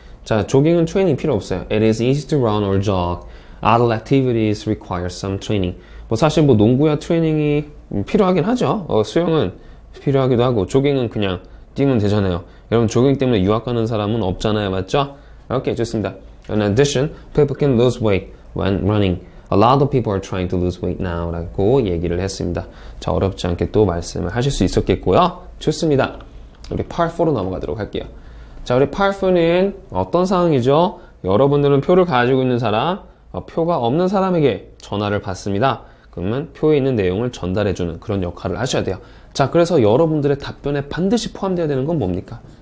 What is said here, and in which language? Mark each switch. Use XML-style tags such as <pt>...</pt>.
<ko>자, 조깅은 트레이닝 필요 없어요.</ko> <en>It is easy to run or jog. Other activities require some training.</en> <ko>뭐 사실 뭐 농구야 트레이닝이 필요하긴 하죠. 수영은 필요하기도 하고 조깅은 그냥 뛰면 되잖아요. 여러분 조깅 때문에 유학 가는 사람은 없잖아요. 맞죠? 오케이, 좋습니다.</ko> <en>In addition, people can lose weight when running. A lot of people are trying to lose weight now</en> <ko>라고 얘기를 했습니다. 자, 어렵지 않게 또 말씀을 하실 수 있었겠고요. 좋습니다. 우리 part 4로 넘어가도록 할게요. 자, 우리 part 4는 어떤 상황이죠? 여러분들은 표를 가지고 있는 사람, 표가 없는 사람에게 전화를 받습니다. 그러면 표에 있는 내용을 전달해주는 그런 역할을 하셔야 돼요. 자, 그래서 여러분들의 답변에 반드시 포함되어야 되는 건 뭡니까?</ko>